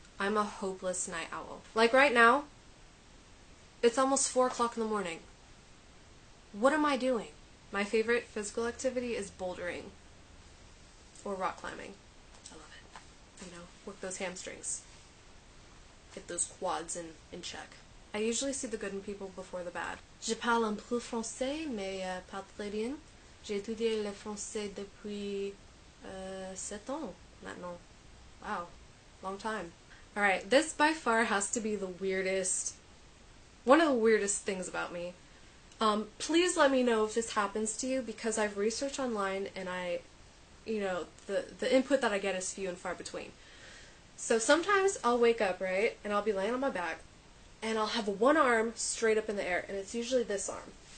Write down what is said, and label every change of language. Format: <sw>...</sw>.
<en>I'm a hopeless night owl. Like right now, it's almost 4 o'clock in the morning. What am I doing? My favorite physical activity is bouldering. Or rock climbing. I love it. You know, work those hamstrings. Get those quads in check. I usually see the good in people before the bad.</en> <fr>Je parle un peu français, mais pas très bien. J'ai étudié le français depuis 7 ans maintenant.</fr> <en>Wow, long time. Alright, this by far has to be the weirdest, one of the weirdest things about me. Please let me know if this happens to you, because I've researched online and I, you know, the input that I get is few and far between. So sometimes I'll wake up, right, and I'll be laying on my back, and I'll have one arm straight up in the air, and it's usually this arm.</en>